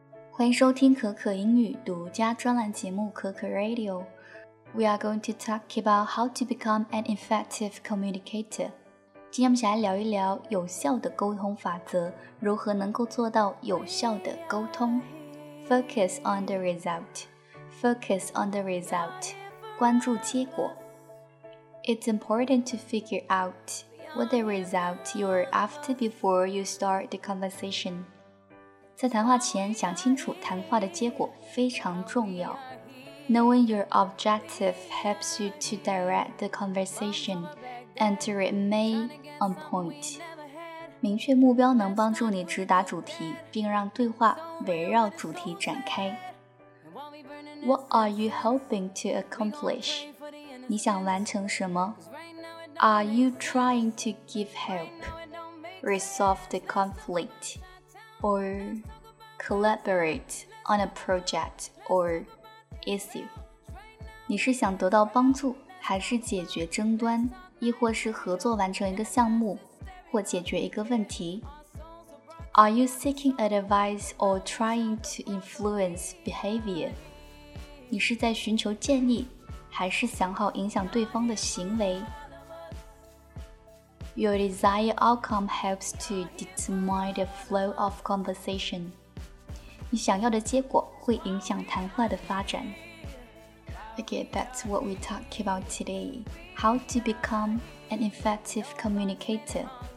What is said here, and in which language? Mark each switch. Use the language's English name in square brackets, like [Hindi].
[Chinese] 欢迎收听可可英语独家专栏节目可可 Radio. [English] We are going to talk about how to become an effective communicator. [Chinese] 今天我们想来聊一聊有效的沟通法则，如何能够做到有效的沟通。 [English] Focus on the result. Focus on the result. [Chinese] 关注结果。 [English] It's important to figure out what the result you're after before you start the conversation. [Chinese] 在谈话前想清楚谈话的结果非常重要。 [English] Knowing your objective helps you to direct the conversation and to remain on point. [Chinese] 明确目标能帮助你直达主题，并让对话围绕主题展开。 [English] What are you hoping to accomplish? [Chinese] 你想完成什么？ [English] Are you trying to give help? Resolve the conflict? Or collaborate on a project or issue. [Chinese] 你是想得到帮助，还是解决争端，亦或是合作完成一个项目，或解决一个问题？ [English] Are you seeking advice or trying to influence behavior? [Chinese] 你是在寻求建议，还是想好影响对方的行为？ [English] Your desired outcome helps to determine the flow of conversation. [Chinese] 你想要的结果会影响谈话的发展。 [English] Okay, that's what we talk about today. How to become an effective communicator.